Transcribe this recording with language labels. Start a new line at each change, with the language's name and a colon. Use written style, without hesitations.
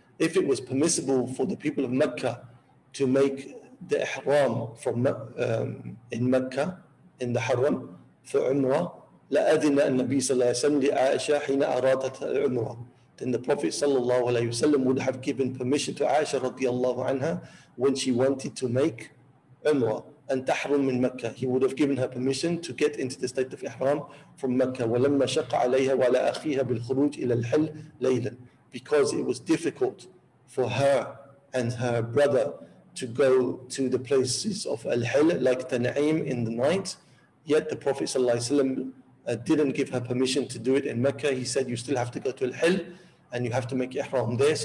English: If it was permissible for the people of Mecca to make the إحرام from in Mecca, in the حرم,
Arabic: في عمرة, لأذن النبي صلى الله عليه وسلم لعائشة حين أرادت العمرة.
English: Then the Prophet صلى الله عليه وسلم would have given permission to Aisha رضي الله عنها when she wanted to make عمرة.
Arabic: أن تحرم من مكة.
English: He would have given her permission to get into the state of Ihram from Mecca.
Arabic: ولما شق عليها وعلى أخيها بالخروج إلى الحل ليلا.
English: Because it was difficult for her and her brother to go to the places of Al-Hil like Tan'im in the night. Yet the Prophet صلى الله عليه وسلم didn't give her permission to do it in Mecca. He said, you still have to go to Al-Hil and you have to make Ihram there.